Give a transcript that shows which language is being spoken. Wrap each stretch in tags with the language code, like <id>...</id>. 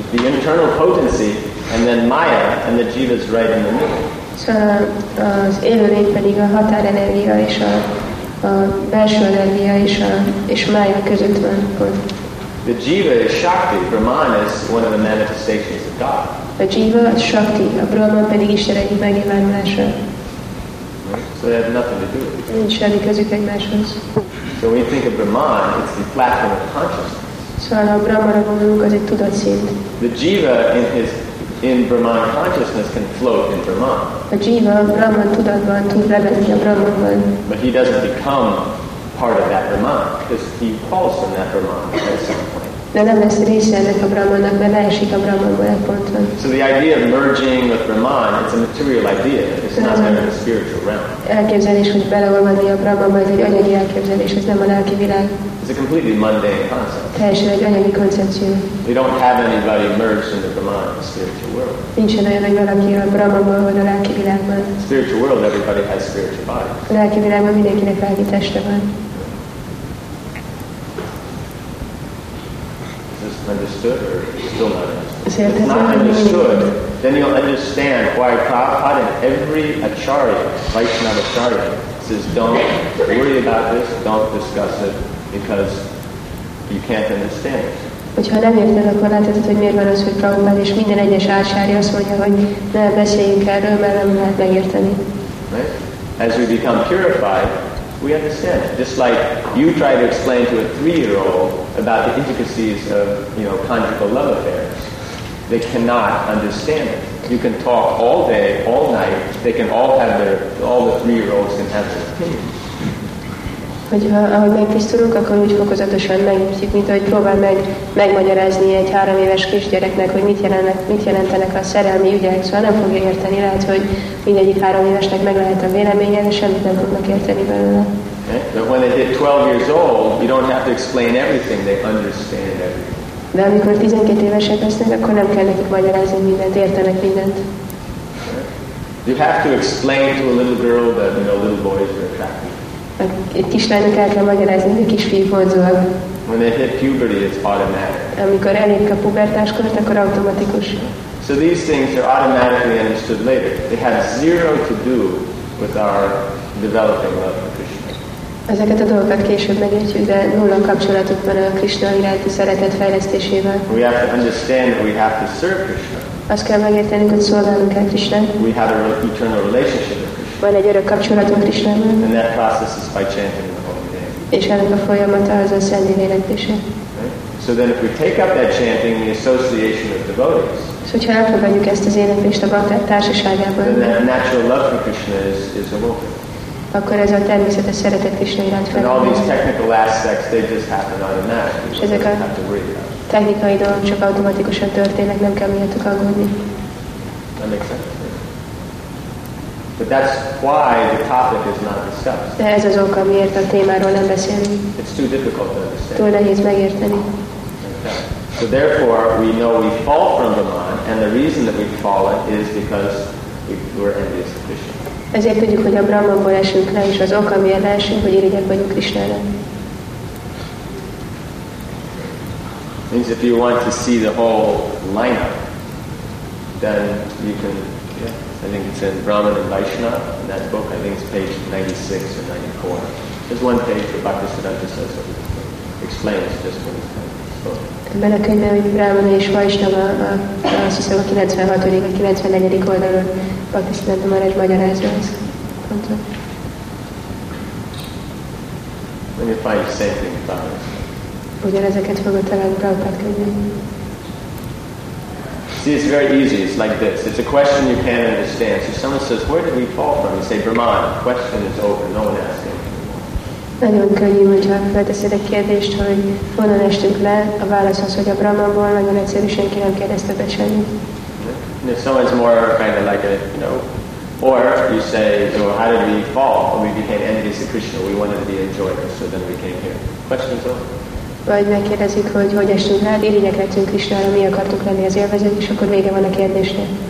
<en>The internal potency, and then Maya, and the jiva is right in the middle.</en> <hu>Szóval az élőlény pedig a határenergia és a belső energia és Maya között van.</hu> <en>The jiva is Shakti. Brahman is one of the manifestations of God. A jiva is Shakti.</en> <hu>A Brahman pedig Isten egyik megnyilvánulása.</hu> <en>So they have nothing to do with it.</en> <hu>Nincs semmi közük egymáshoz.</hu> <en>So when you think of Brahman, it's the platform of consciousness.</en> <hu>Szóval ha a Brahmanra gondolunk, az egy tudatszint.</hu> <en>The jiva in Brahman consciousness can float in Brahman.</en> <hu>A jiva a Brahman tudatban tud lebegni a Brahmanban.</hu> <en>But he doesn't become part of that Brahman, because he falls from that Brahman at some point.</en> <hu>De nem lesz része ennek a Brahmannak, mert leesik a Brahmannból egy ponton.</hu> <en>So the idea of merging with Brahman, it's a material idea. It's not kind of a spiritual realm.</en> <hu>Elképzelés, hogy belevonni a Brahmanba, ez egy anyagi elképzelés, ez nem a lelki világ.</hu> <en>It's a completely mundane concept.</en> <hu>Teljesen egy anyagi koncepció.</hu> <en>We don't have anybody merged into Brahman in the spiritual world.</en> <hu>Nincsen olyan, hogy valaki a Brahmanból vagy a lelki világban.</hu> <en>Spiritual world, everybody has spiritual body.</en> <hu>A lelki világban mindenkinek lelki teste van.</hu> <en>Understood or still not understood? If not understood, then you'll understand why Prabhupada and every acharya, Vaishnava acharya, says don't worry about this, don't discuss it, because you can't understand it.</en> <hu>Ha nem érted, akkor látod, hogy miért van az, hogy Prabhupada és minden egyes acharya azt mondja, hogy ne beszéljünk erről, mert nem lehet megérteni.</hu> <en>Right? As we become purified, we understand. Just like you try to explain to a three-year-old about the intricacies of, you know, conjugal love affairs. They cannot understand it. You can talk all day, all night, they can all have their, all the three-year-olds can have their opinions.</en> <hu>Hogyha ahogy megtisztulunk, akkor úgy fokozatosan megnyitjuk, mint ahogy próbál megmagyarázni egy három éves kisgyereknek, hogy mit jelentenek a szerelmi ügyek, szóval nem fogja érteni, lehet, hogy mindegyik három évesnek meg lehet a véleménye, de semmit nem fognak érteni belőle.</hu> <en>But when they hit 12 years old, you don't have to explain everything, they understand everything.</en> <hu>De amikor 12 évesek lesznek, akkor nem kell nekik magyarázni mindent, értenek mindent.</hu> <en>You have to explain to a little girl that, you know, little boys are attractive.</en> <hu>Egy kislánynak el kell magyarázni, hogy kisfiú vonzóak.</hu> <en>When they hit puberty, it's automatic.</en> <hu>Amikor elérik a pubertáskort, akkor automatikus.</hu> <en>So these things are automatically understood later. They have zero to do with our developing love for Krishna.</en> <hu>Ezeket a dolgokat később megértjük, de nulla kapcsolatuk van a Krishna iránti szeretet fejlesztésével.</hu> <en>We have to understand that we have to serve Krishna.</en> <hu>Azt kell megértenünk, hogy szolgálnunk kell Krishna.</hu> <en>We have an eternal relationship.</en> <hu>Van egy örök kapcsolatunk Krisnával.</hu> <en>And that process is by chanting the holy name.</en> <hu>És ennek a folyamata az a szent énekléssel.</hu> <en>So then if we take up that chanting, the association with devotees.</en> <hu>So hogyha elfogadjuk ezt az éneklést a bhakták társaságában.</hu> <en>Then that natural love for Krishna is awoken.</en> <hu>Akkor ez a természetes szeretet Krisna iránt felmerül.</hu> <en>And all these technical aspects, they just happen automatically.</en> <hu>Ezek a technikai dolgok csak automatikusan történnek, nem kell miattuk aggódni.</hu> <en>That makes sense. But that's why the topic is not discussed.</en> <hu>De ez az oka, miért a témáról nem beszélünk.</hu> <en>It's too difficult to understand.</en> <hu>Túl nehéz megérteni.</hu> <en>So therefore, we know we fall from the mind, and the reason that we've fallen is because we're envious of Krishna.</en> <hu>Ezért tudjuk, hogy a Brahmanból esünk le, és az oka, miért leesünk, hogy irigyek vagyunk Krishnára.</hu> <en>Means if you want to see the whole lineup, then you can. I think it's in Brahman and Vaishnava, in that book, I think it's page 96 or 94. There's one page where Bhaktisiddhanta says it explains just what he's saying.</en> <hu>Ebben a könyvben, hogy Brahman és Vaishnava, azt hiszem a 96. vagy 94. oldalon Bhaktisiddhanta Maharaj magyarázva ezt. Pontosan.</hu> <en>And you find the same thing in Brahman.</en> <hu>Ugyanezeket fogod találni Prabhupada könyvben.</hu> <en>See, it's very easy. It's like this. It's a question you can't understand. So someone says, where did we fall from? You say, Brahman. The question is over. No one asks anything more.</en> <hu>Nagyon könnyű, hogyha felteszed a kérdést, hogy honnan estünk le, a válasz az, hogy a Brahmanból, nagyon egyszerű, senki nem kérdezte be semmit.</hu> <en>And if someone's more kind of like a, you know, or you say, so how did we fall? Well, we became envious of Krishna. We wanted to be enjoyers, so then we came here. Question is over.</en> <hu>Vagy megkérdezik, hogy hogy estünk rá, irigyek lettünk Krisnára, mi akartuk lenni az élvezők, és akkor vége van a kérdésnek.</hu>